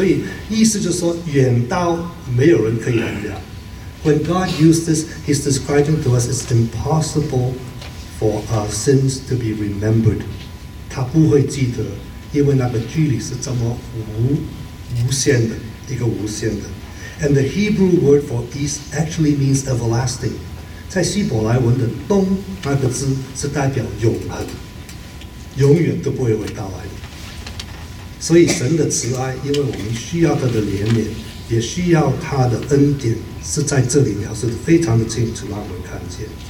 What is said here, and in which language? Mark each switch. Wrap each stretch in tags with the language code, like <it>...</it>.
<zh>所以意思就是说，远到没有人可以衡量。</zh> <en>When God used this, He's describing to us, it's impossible for our sins to be remembered.</en> <zh>他不会记得，因为那个距离是这么无限的一个无限的。</zh> <en>And the Hebrew word for east actually means everlasting.</en> <zh>在希伯来文的东那个字是代表永恒，永远都不会回到来的。所以神的慈爱，因为我们需要他的怜悯，也需要他的恩典，是在这里描述的非常的清楚，让我们看见。</zh>